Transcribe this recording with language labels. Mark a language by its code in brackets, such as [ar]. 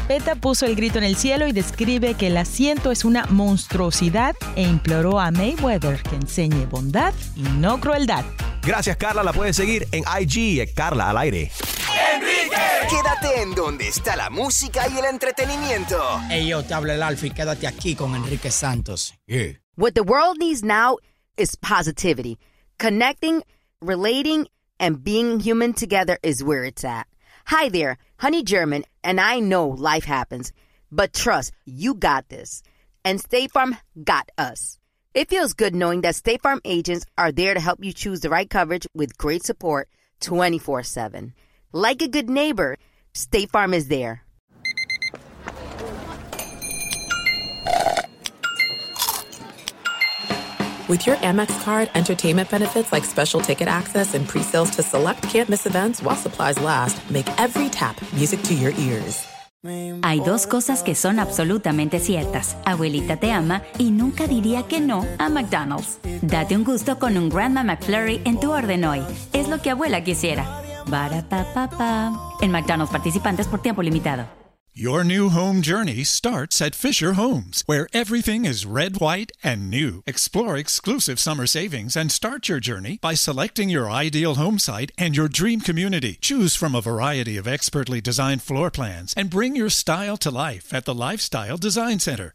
[es] PETA puso el grito en el cielo y describe que el asiento es una monstruosidad e imploró a Mayweather que enseñe bondad y no crueldad. Gracias, Carla. La puedes seguir en IG, Carla al aire. ¡Enrique! Quédate en donde está la música y el entretenimiento. Hey, yo te hablo el Alfi, quédate aquí con Enrique Santos. [en] Yeah. What the world needs now is positivity. Connecting, relating, and being human together is where it's at. Hi there, Honey German, and I know life happens, but trust, you got this. And State Farm got us. It feels good knowing that State Farm agents are there to help you choose the right coverage with great support 24/7. Like a good neighbor, State Farm is there. With your Amex card, entertainment benefits like special ticket access and pre-sales to select can't-miss events while supplies last, make every tap music to your ears. [es] Hay dos cosas que son absolutamente ciertas. Abuelita te ama y nunca diría que no a McDonald's. Date un gusto con un Grandma McFlurry en tu orden hoy. Es lo que abuela quisiera. Barata papá. En McDonald's participantes por tiempo limitado. [en] Your new home journey starts at Fisher Homes, where everything is red, white, and new. Explore exclusive summer savings and start your journey by selecting your ideal home site and your dream community. Choose from a variety of expertly designed floor plans and bring your style to life at the Lifestyle Design Center.